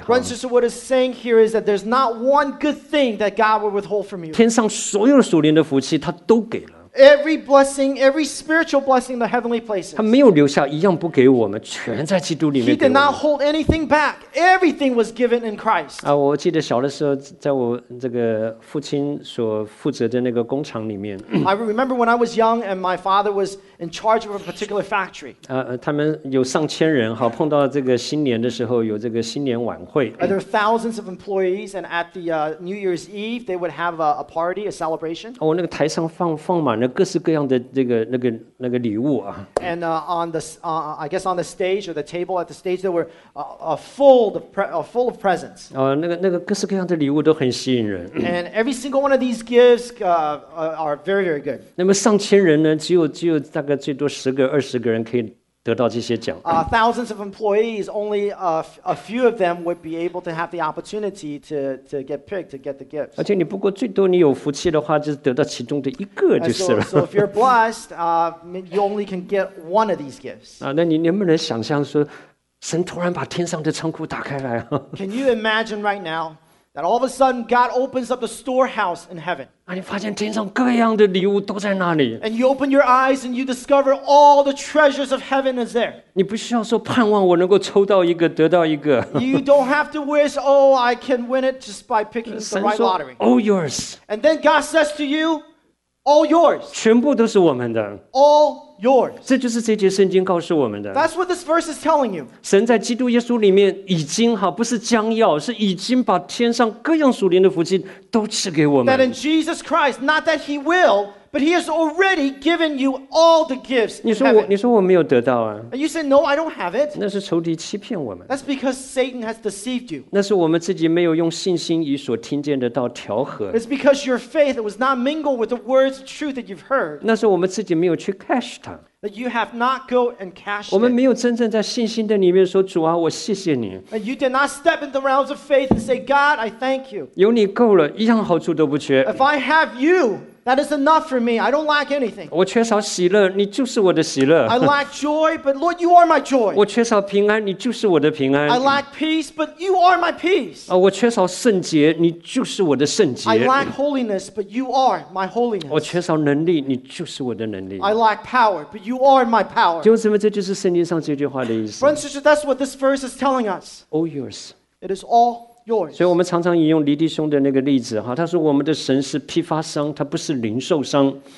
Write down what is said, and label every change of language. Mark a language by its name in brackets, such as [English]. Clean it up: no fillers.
[English] Friends, so what is saying here is that there's not one good thing that God will withhold from you. [Chinese] 天上所有属灵的福气，他都给了。 [English] Every blessing, every spiritual blessing in the heavenly places. [Chinese] 他没有留下一样不给我们，全在基督里面给我们。 [English] He did not hold anything back. Everything was given in Christ. [Chinese] 啊，我记得小的时候，在我这个父亲所负责的那个工厂里面。 [English] I remember when I was young and my father was in charge of a particular factory. [Chinese] 他们有上千人，好碰到这个新年的时候有这个新年晚会。 [English] There were thousands of employees, and at the New Year's Eve, they would have a party, a celebration. [Chinese] 哦，那个台上放满。各式各样的这个那个礼物啊 [English] ，and on the I guess on the stage or the table at the stage there were full of presents. [Chinese] 那个各式各样的礼物都很吸引人。 [English] And every single one of these gifts are very very good. [Chinese] 那么上千人呢，只有大概最多十个二十个人可以得到这些奖。 [English] Thousands of employees, only a few of them would be able to have the opportunity to get picked to get the gifts. [Chinese] 而且你不过最多你有福气的话，就是得到其中的一个就是了。 [English] So if you're blessed, you only can get one of these gifts. [Chinese] 那你能不能想象说，神突然把天上的仓库打开来？ [English] Can you imagine right now? That all of a sudden God opens up the storehouse in heaven. [Chinese] 你发现天上各样的礼物都在那里。 [English] And you open your eyes and you discover all the treasures of heaven is there. [Chinese] 你不需要说盼望我能够抽到一个得到一个。 [English] You don't have to wish, oh, I can win it just by picking the right lottery. All yours. And then God says to you, all yours. [Chinese] 全部都是我们的。 [English] All yours. [Chinese] 这就是这节圣经告诉我们的。 [English] That's what this verse is telling you. [Chinese] 神在基督耶稣里面已经好，不是将要，是已经把天上各样属灵的福气都赐给我们。 [English] That in Jesus Christ, not that he will, but he has already given you all the gifts. [Chinese] 你说我没有得到啊。 [English] And you say, no, I don't have it. [Chinese] 那是仇敌欺骗我们。 [English] That's because Satan has deceived you. [Chinese] 那是我们自己没有用信心与所听见的道调和。 [English] It's because your faith was not mingled with the words of truth that you've heard. [Chinese] 那是我们自己没有去 cash 它。 [English] That you have not go and cash. [Chinese] 我们没有真正在信心的里面说主啊，我谢谢你。 [English] And you did not step in the realms of faith and say, God, I thank you. [Chinese] 有你够了，一样好处都不缺。 [English] If I have you, that is enough for me. I don't lack anything. [Chinese] 我缺少喜乐，你就是我的喜乐。 [English] I lack joy, but Lord, you are my joy. [Chinese] 我缺少平安，你就是我的平安。 [English] I lack peace, but you are my peace. [Chinese] 我缺少圣洁，你就是我的圣洁。 [English] I lack holiness, but you are my holiness. [Chinese] 我缺少能力，你就是我的能力。 [English] I lack power, but you are my power. [Chinese] 弟兄姊妹，这就是圣经上这句话的意思。 [English] Friends, sisters, that's what this verse is telling us. All yours. It is all. Yours. [Chinese] 所以我们常常引用黎弟兄的那个例子，他说我们的神是批发商，他不是零售商。